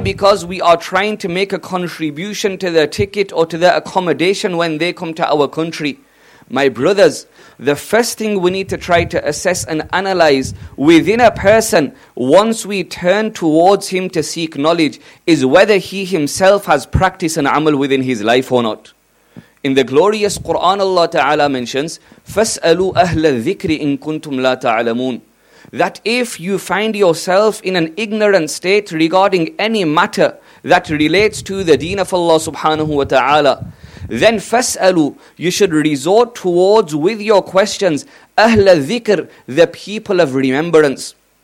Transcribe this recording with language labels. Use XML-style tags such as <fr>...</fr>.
<en>Because we are trying to make a contribution to their ticket or to their accommodation when they come to our country. My brothers, the first thing we need to try to assess and analyze within a person once we turn towards him to seek knowledge is whether he himself has practice and amal within his life or not. In the glorious Quran, Allah Ta'ala mentions,</en> <ar>فَاسْأَلُوا أَهْلَ الذِّكْرِ إِن كُنْتُمْ لَا تَعْلَمُونَ.</ar> <en>That if you find yourself in an ignorant state regarding any matter that relates to the deen of Allah Subhanahu Wa Ta'ala, then fas'alu, you should resort towards with your questions ahla dhikr, the people of remembrance.</en>